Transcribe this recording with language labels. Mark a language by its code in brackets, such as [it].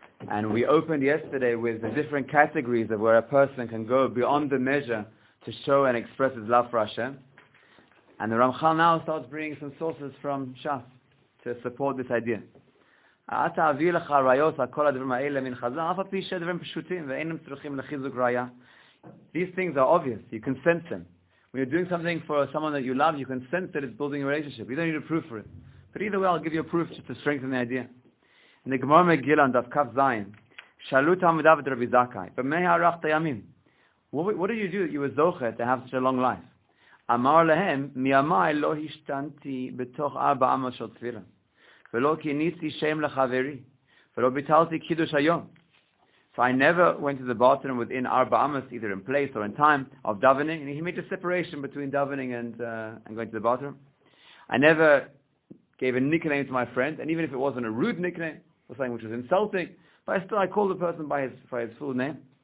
[en] And we opened yesterday with the different categories of where a person can go beyond the measure to show and express his love for Hashem. And the Ramchal now starts bringing some sources from Shas to support this idea. [he] אתה אביא לך ראיות כל הדברים האלה מן חזר, אף פי שדברים פשוטים ואינם צריכים לחיזוק ראיה. [en] These things are obvious. You can sense them. When you're doing something for someone that you love, you can sense that it's building a relationship. You don't need a proof for it. But either way, I'll give you a proof just to strengthen the idea. In the Gemara Megillah, Daf Kaf Zayin, [he] שאלו תלמידיו את רבי זכאי, במה ארך הימים? [en] What did you do that you were zocher to have such a long life? [he] אמר להם, מימי לא השתנתי בתוך ארבע אמות של תפילה. ולא כיניתי שם לחברי, ולא ביטלתי קידוש היום. [en] So I never went to the bottom within Arba Amos, either in place or in time, of davening. And he made a separation between davening and going to the bottom. I never gave a nickname to my friend, and even if it wasn't a rude nickname, or something which was insulting, but I called the person by his full name.